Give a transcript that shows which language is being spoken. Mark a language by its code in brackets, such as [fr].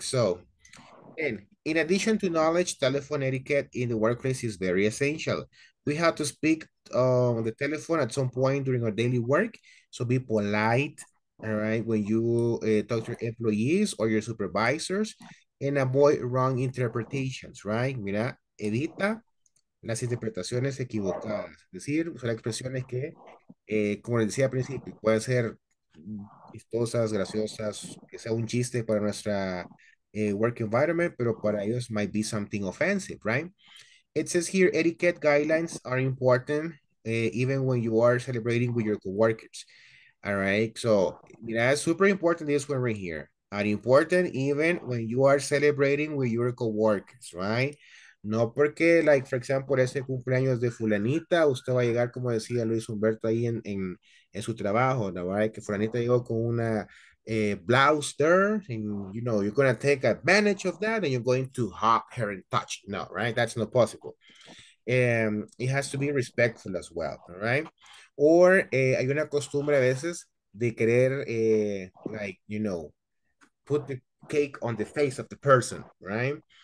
[en] So, and in addition to knowledge, telephone etiquette in the workplace is very essential. We have to speak on the telephone at some point during our daily work. So be polite, all right, when you talk to your employees or your supervisors, and avoid wrong interpretations, right? [es] Mira, evita las interpretaciones equivocadas. Es decir, son expresiones que, como les decía al principio, pueden ser chistosas, graciosas, que sea un chiste para nuestra work environment, pero para ellos [en] might be something offensive, [es] right? [en] It says here, etiquette guidelines are important even when you are celebrating with your coworkers. All right, so that's super important, this one right here. Are important even when you are celebrating with your coworkers, right? [es] No porque, [en] like, for example, [es] ese cumpleaños de fulanita, usted va a llegar, como decía Luis Humberto ahí en su trabajo, ¿no? [en] Right? [es] Que fulanita llegó con una [en] blouster, and, you know, you're going to take advantage of that and you're going to hop her and touch. No, right? That's not possible. It has to be respectful as well, all right? Or [es] hay una costumbre a veces de querer, [en] like, you know, put the cake on the face of the person, right?